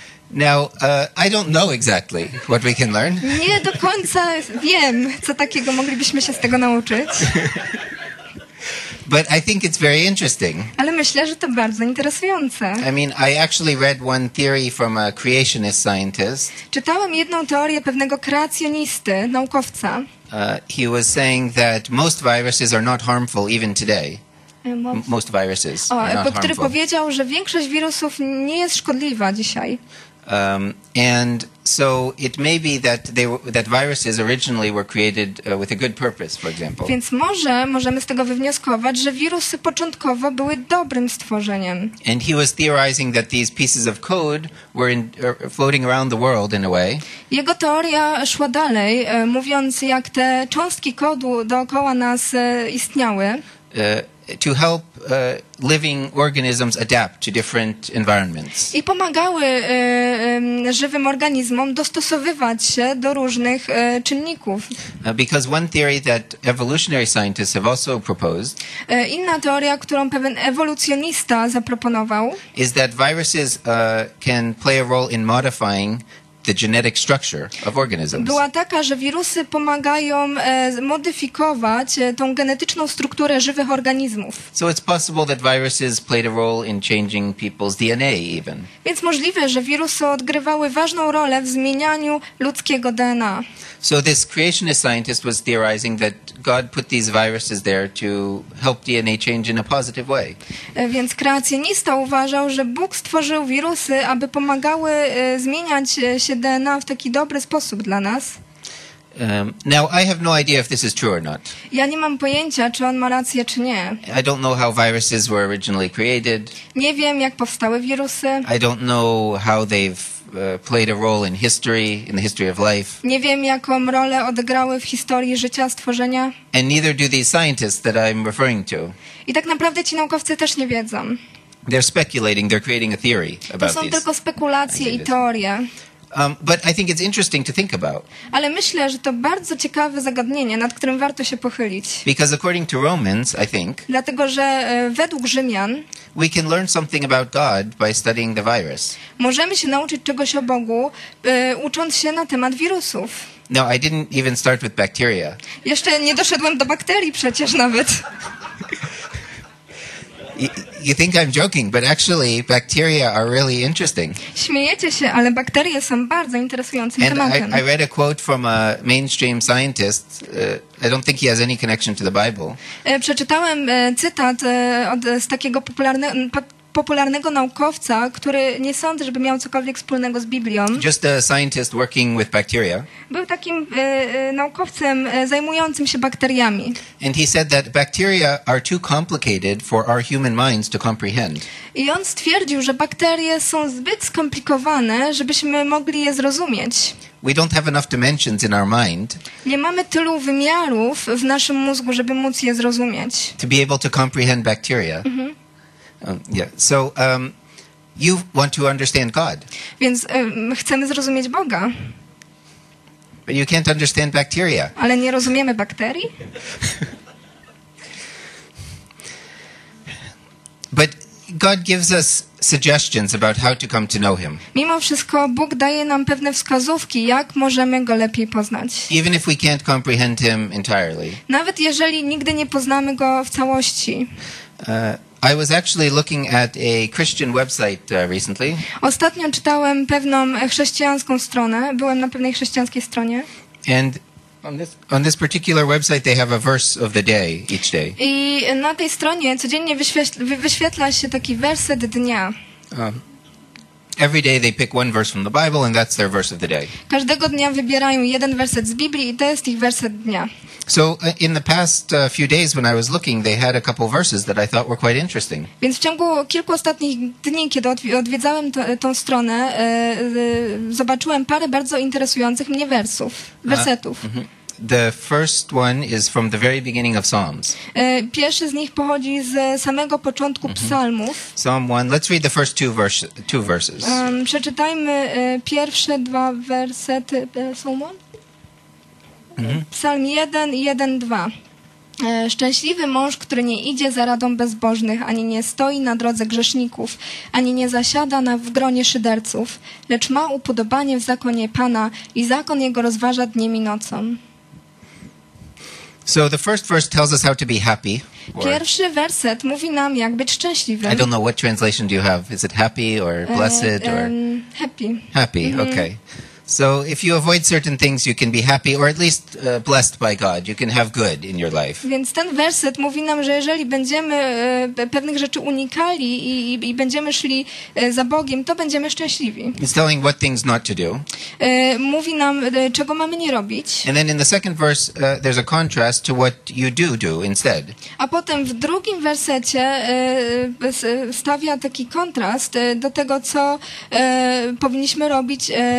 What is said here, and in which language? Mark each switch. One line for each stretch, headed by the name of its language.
English: Now, I don't know exactly what we can learn.
Polish: Nie do końca wiem, co takiego moglibyśmy się z tego nauczyć.
English: But I think it's very interesting.
Polish: Ale myślę, że to bardzo interesujące.
English: I mean, I actually read one theory from a creationist scientist.
Polish: Czytałem jedną teorię pewnego kreacjonisty, naukowca.
English: He was saying that most viruses are not harmful even today. Most viruses are not harmful.
Polish: Który powiedział, że większość wirusów nie jest szkodliwa dzisiaj.
English: And so it may be that they were, that viruses originally were created with a good purpose, for example.
Polish: Więc może możemy z tego wywnioskować, że wirusy początkowo były dobrym stworzeniem.
English: And he was theorizing that these pieces of code were floating around the world in a way.
Polish: Jego teoria szła dalej, mówiąc, jak te cząstki kodu dookoła nas istniały.
English: To help living organisms adapt to different environments.
Polish: I pomagały żywym organizmom dostosowywać się do różnych czynników.
English: Because one theory that evolutionary scientists have also proposed.
Polish: Inna teoria, którą pewien ewolucjonista zaproponował,
English: is that viruses can play a role in modifying the genetic structure of organisms.
Polish: Była taka, że wirusy pomagają modyfikować tą genetyczną strukturę żywych organizmów.
English: So it's possible that viruses played a role in changing people's DNA even.
Polish: Więc możliwe, że wirusy odgrywały ważną rolę w zmienianiu ludzkiego DNA.
English: So this creationist scientist was theorizing that God put these viruses there to help DNA change in a positive way.
Polish: Więc kreacjonista uważał, że Bóg stworzył wirusy, aby pomagały zmieniać się DNA w taki dobry sposób dla nas.
English: Now I have no idea if this is true or not.
Polish: Ja nie mam pojęcia, czy on ma rację, czy nie.
English: I don't know how viruses were originally created.
Polish: Nie wiem, jak powstały wirusy.
English: I don't know how they've played a role in the history of life.
Polish: Nie wiem, jaką rolę odegrały w historii życia, stworzenia.
English: And neither do these scientists that I'm referring to.
Polish: I tak naprawdę ci naukowcy też nie wiedzą.
English: They're speculating, they're creating a theory about this.
Polish: To są tylko spekulacje i teorie.
English: But I think it's interesting to think about.
Polish: Ale myślę, że to bardzo ciekawe zagadnienie, nad którym warto się pochylić.
English: Because according to Romans, I think.
Polish: Dlatego, że według Rzymian.
English: We can learn something about God by studying the virus.
Polish: Możemy się nauczyć czegoś o Bogu, ucząc się na temat wirusów.
English: No, I didn't even start with bacteria.
Polish: Jeszcze nie doszedłem do bakterii przecież nawet.
English: You think I'm joking, but actually bacteria are really interesting.
Polish: Śmiejecie się, ale bakterie są bardzo interesującym
English: and
Polish: tematem.
English: I read a quote from a mainstream scientist. I don't think he has any connection to the Bible.
Polish: Przeczytałem cytat z takiego popularnego naukowca, który nie sądzę, żeby miał cokolwiek wspólnego z Biblią.
English: Just a scientist working with bacteria.
Polish: Był takim naukowcem zajmującym się bakteriami.
English: And he said that bacteria are too complicated for our human minds to comprehend.
Polish: I on stwierdził, że bakterie są zbyt skomplikowane, żebyśmy mogli je zrozumieć.
English: We don't have enough dimensions in our mind.
Polish: Nie mamy tylu wymiarów w naszym mózgu, żeby móc je zrozumieć.
English: To be able to comprehend bacteria. Mm-hmm. So you want to understand God.
Polish: Więc chcemy zrozumieć Boga.
English: But you can't understand bacteria.
Polish: Ale nie rozumiemy bakterii?
English: But God gives us suggestions about how to come to know him.
Polish: Mimo wszystko Bóg daje nam pewne wskazówki, jak możemy go lepiej poznać.
English: Even if we can't comprehend him entirely.
Polish: Nawet jeżeli nigdy nie poznamy go w całości.
English: I was actually looking at a Christian website recently.
Polish: Ostatnio czytałem pewną chrześcijańską stronę. Byłem na pewnej chrześcijańskiej stronie.
English: And on this particular website they have a verse of the day each day.
Polish: I na tej stronie codziennie wyświetla się taki werset dnia.
English: Every day they pick one verse from the Bible and that's their verse of the day.
Polish: Każdego dnia wybierają jeden werset z Biblii i to jest ich werset dnia.
English: So in the past few days when I was looking they had a couple verses that I thought were quite interesting.
Polish: Więc w ciągu kilku ostatnich dni, kiedy odwiedzałem tą stronę, zobaczyłem parę bardzo interesujących mnie wersetów.
English: The first one is from the very beginning of Psalms.
Polish: Pierwszy z nich pochodzi z samego początku psalmów.
English: Psalm 1. Let's read the first two verses.
Polish: Przeczytajmy pierwsze dwa wersety Psalm 1. Psalm 1, 1, 2. Szczęśliwy mąż, który nie idzie za radą bezbożnych, ani nie stoi na drodze grzeszników, ani nie zasiada w gronie szyderców, lecz ma upodobanie w zakonie Pana i zakon jego rozważa dniem i nocą.
English: So the first verse tells us how to be happy.
Polish: Pierwszy werset mówi nam, jak być szczęśliwym.
English: I don't know what translation do you have. Is it happy or blessed or happy? Happy. Mm-hmm. Okay. So if you avoid certain things, you can be happy or at least blessed by God. You can have good in your life.
Polish: Więc ten werset mówi nam, że jeżeli będziemy pewnych rzeczy unikali i będziemy szli za Bogiem, to będziemy szczęśliwi.
English: It's telling what things not to do.
Polish: Mówi nam, czego mamy nie robić.
English: And then in the second verse, there's a contrast to what you do instead.
Polish: A potem w drugim wersecie stawia taki kontrast do tego, co powinniśmy robić.